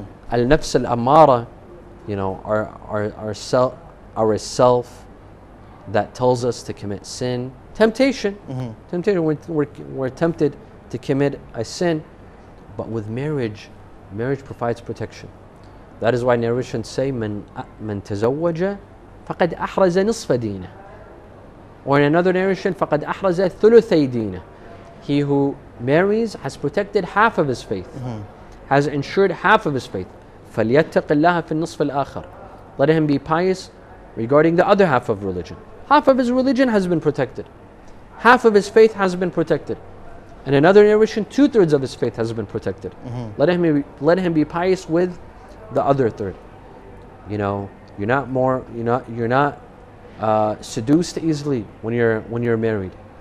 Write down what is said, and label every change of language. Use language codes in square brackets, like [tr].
[en] Al-nafs al-amara, you know, our self that tells us to commit sin. Temptation. Mm-hmm. Temptation. We're tempted to commit a sin. But with marriage provides protection. That is why narrations say, [ar] من تزوج فقد أحرز نصف دينه. [en] Or in another narration, [ar] فقد أحرز ثلثي دينه. [en] He who marries has protected half of his faith, mm-hmm. has ensured half of his faith. [ar] فليتق الله في النصف الآخر. [en] Let him be pious regarding the other half of religion. Half of his religion has been protected. Half of his faith has been protected. In another narration, 2/3 of his faith has been protected. Mm-hmm. Let him be pious with the other third. you know, you're not seduced easily when you're married.